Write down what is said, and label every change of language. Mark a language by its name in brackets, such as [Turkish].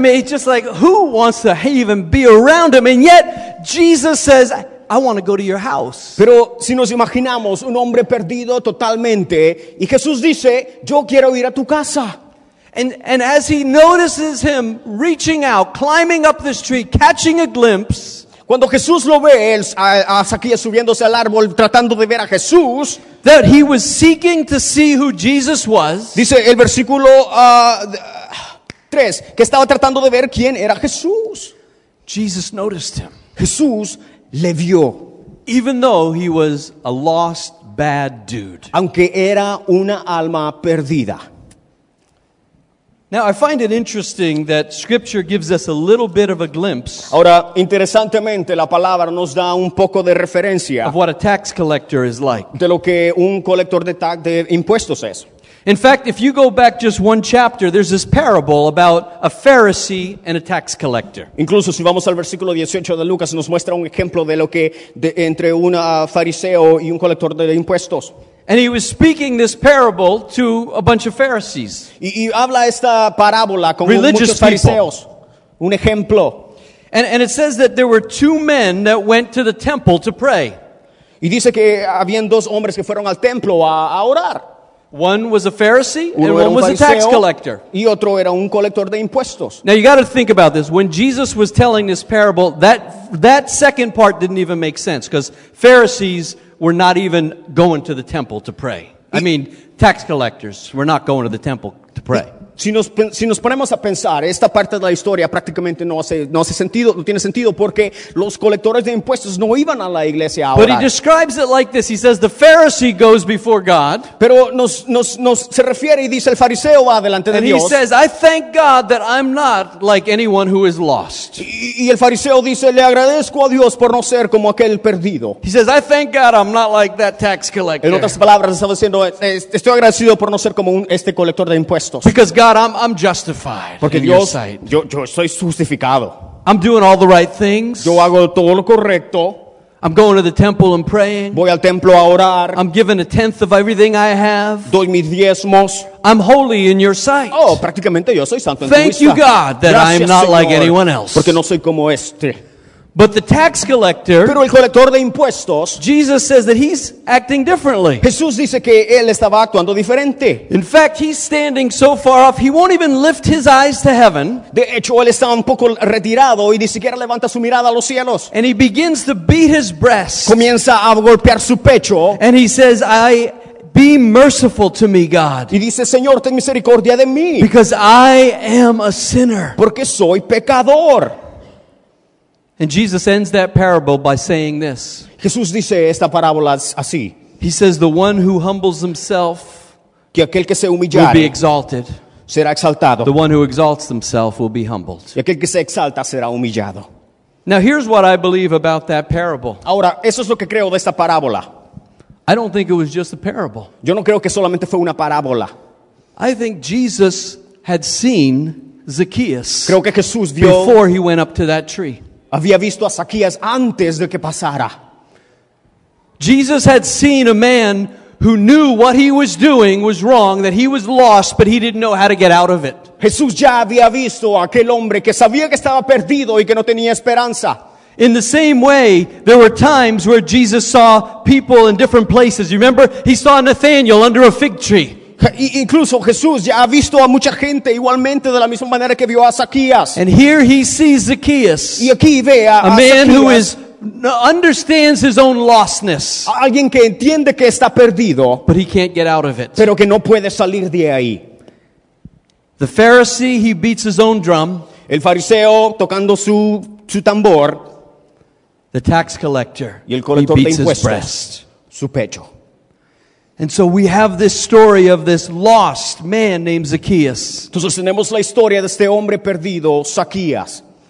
[English] I mean, it's just like, who wants to even be around him? And yet, Jesus says, I want to go to your house. [Spanish] Pero si nos imaginamos un hombre perdido totalmente, y Jesús dice, yo quiero ir a tu casa. [English] And as he notices him reaching out, climbing up this tree, catching a glimpse. [Spanish] Cuando Jesús lo ve, él a Zacarías subiéndose al árbol, tratando de ver a Jesús. [English] That he was seeking to see who Jesus was. [Spanish] Dice el versículo 3, que estaba tratando de ver quién era Jesús. [English] Jesus noticed him. [Spanish] Jesús le vio. [English] Even though he was a lost, bad dude. [Spanish] Aunque era una alma perdida. [English] Now, I find it interesting that Scripture gives us a little bit of a glimpse. [Spanish] Ahora, interesantemente, la palabra nos da un poco de referencia. [English] Of what a tax collector is like. [Spanish] De lo que un colector de tax de impuestos es. [English] In fact, if you go back just one chapter, there's this parable about a Pharisee and a tax collector. [Spanish] Incluso si vamos al versículo 18 de Lucas, nos muestra un ejemplo de lo que entre un fariseo y un colector de impuestos. [English] And he was speaking this parable to a bunch of Pharisees. [Spanish] Y habla esta parábola con muchos fariseos. Un ejemplo. [English] And it says that there were two men that went to the temple to pray. [Spanish] Y dice que habían dos hombres que fueron al templo a orar. [English] One was a Pharisee and one was a tax collector. [Spanish] Y otro era un colector de impuestos. [English] Now you got to think about this. When Jesus was telling this parable, that second part didn't even make sense because Pharisees were not even going to the temple to pray. I mean, tax collectors were not going to the temple to pray. [Spanish] Si nos ponemos a pensar, esta parte de la historia prácticamente no hace sentido, no tiene sentido porque los colectores de impuestos no iban a la iglesia a orar. [English] But he describes it like this. He says the Pharisee goes before God. [Spanish] Pero nos se refiere y dice el fariseo va delante de Dios. [English] And he says, I thank God that I'm not like anyone who is lost. [Spanish] Y el fariseo dice, le agradezco a Dios por no ser como aquel perdido. [English] He says, I thank God I'm not like that tax collector. [Spanish] En otras palabras, estaba diciendo, estoy agradecido por no ser como este colector de impuestos. [English] Because God, I'm justified. [Spanish] Porque [English] in [Spanish] Dios, [English] your sight. [Spanish] Yo soy justificado. [English] I'm doing all the right things. [Spanish] Yo hago todo lo correcto. [English] I'm going to the temple and praying. [Spanish] Voy al templo a orar. [English] I'm giving a tenth of everything I have. [Spanish] Doy mis diezmos. [English] I'm holy in your sight. [Spanish] Oh, prácticamente yo soy santo. [English] Thank you, God, that [Spanish] gracias, [English] I am not [Spanish] Señor, [English] like anyone else. [Spanish] Porque no soy como este. [English] But the tax collector, [Spanish] pero el colector de impuestos, [English] Jesus says that he's acting differently. [Spanish] Jesús dice que él estaba actuando diferente. [English] In fact, he's standing so far off, he won't even lift his eyes to heaven. [Spanish] De hecho, él está un poco retirado y ni siquiera levanta su mirada a los cielos. [English] And he begins to beat his breast. [Spanish] Comienza a golpear su pecho. [English] And he says, I be merciful to me, God. [Spanish] Y dice, Señor, ten misericordia de mí. [English] Because I am a sinner. [Spanish] Porque soy pecador. [English] And Jesus ends that parable by saying this. [Spanish] Jesús dice esta parábola así. [English] He says, the one who humbles himself [Spanish] que aquel que se humillare [English] will be exalted. [Spanish] Será exaltado. [English] The one who exalts himself will be humbled. [Spanish] Y aquel que se exalta será humillado. [English] Now here's what I believe about that parable. [Spanish] Ahora, eso es lo que creo de esta parábola. [English] I don't think it was just a parable. [Spanish] Yo no creo que solamente fue una parábola. [English] I think Jesus had seen Zacchaeus [Spanish] creo que Jesús vio [English] before he went up to that tree. [Spanish] Había visto a Zacarías antes de que pasara. [English] Jesus had seen a man who knew what he was doing was wrong, that he was lost, but he didn't know how to get out of it. [Spanish] Jesús ya había visto a aquel hombre que sabía que estaba perdido y que no tenía esperanza. [English] In the same way, there were times where Jesus saw people in different places. You remember? He saw Nathanael under a fig tree. [Spanish] Incluso Jesús ya ha visto a mucha gente igualmente de la misma manera que vio a Zacarías. [English] And here he sees Zacchaeus. [Spanish] Y aquí ve a [English] man Zacchaeus, who is understands his own lostness. [Spanish] Alguien que entiende que está perdido, [English] but he can't get out of it. [Spanish] Pero que no puede salir de ahí. [English] The Pharisee, he beats his own drum. [Spanish] El fariseo tocando su tambor. [English] The tax collector, [Spanish] y el colector [English] he beats [Spanish] de impuestos, [English] his breast, [Spanish] su pecho. [English] And so we have this story of this lost man named Zacchaeus. [Spanish] Entonces tenemos la historia de este hombre perdido, Zacchaeus.